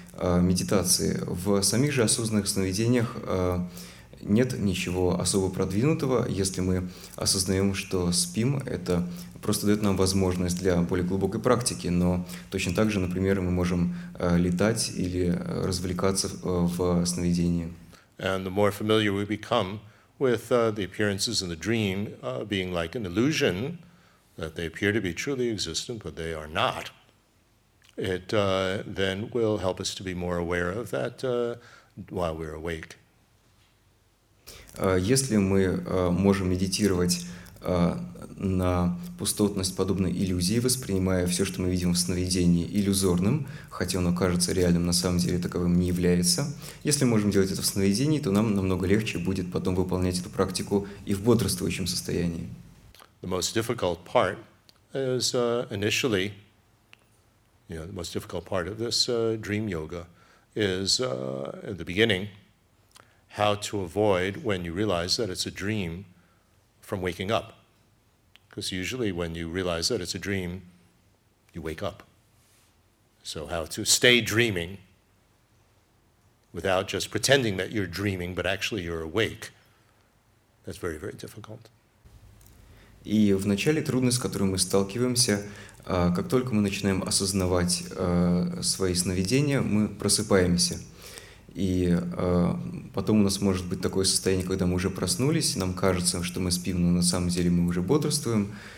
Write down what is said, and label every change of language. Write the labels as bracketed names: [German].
[Russian] медитации. В самих же осознанных сновидениях нет ничего особо продвинутого. Если мы осознаем, что спим, это просто дает нам возможность для более глубокой практики. Но точно так же, например, мы можем летать или развлекаться в сновидении. [English] And the more familiar we become with the appearances in the dream being like an illusion, that they appear to be truly existent, but they are not, it then will help us to be more aware of that while we're awake. [Russian] Если мы можем медитировать на пустотность подобной иллюзии, воспринимая все, что мы видим в сновидении, иллюзорным, хотя оно кажется реальным, на самом деле таковым не является, если мы можем делать это в сновидении, то нам намного легче будет потом выполнять эту практику и в бодрствующем состоянии. [English] The most difficult part is initially, the most difficult part of this dream yoga is at the beginning, how to avoid when you realize that it's a dream from waking up. Because usually when you realize that it's a dream, you wake up. So how to stay dreaming without just pretending that you're dreaming, but actually you're awake, that's very, very difficult. [Russian] И вначале трудность, с которой мы сталкиваемся, как только мы начинаем осознавать свои сновидения, мы просыпаемся. И потом у нас может быть такое состояние, когда мы уже проснулись, нам кажется, что мы спим, но на самом деле мы уже бодрствуем.